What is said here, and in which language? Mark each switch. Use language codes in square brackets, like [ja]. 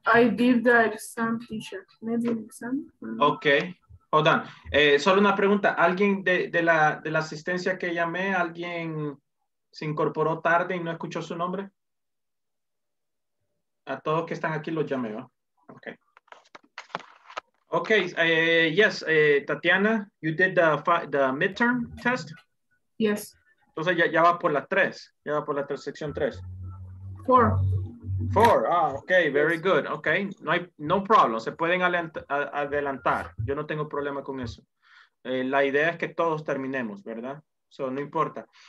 [en] I give the exam, teacher. Maybe an exam. Ok. Hold on. [es] Solo una pregunta. ¿Alguien de la asistencia que llamé, alguien se incorporó tarde y no escuchó su nombre? A todos que están aquí los llamé, ¿no? [en] Ok. Okay, yes, Tatiana, you did the midterm test? Yes. [es] Entonces ya va por la 3, ya va por la sección 3. 4. [en] 4, ah, okay, very good, okay. No problem, [es] se pueden adelantar. Yo no tengo problema con eso. La idea es que todos terminemos, ¿verdad? So, no importa.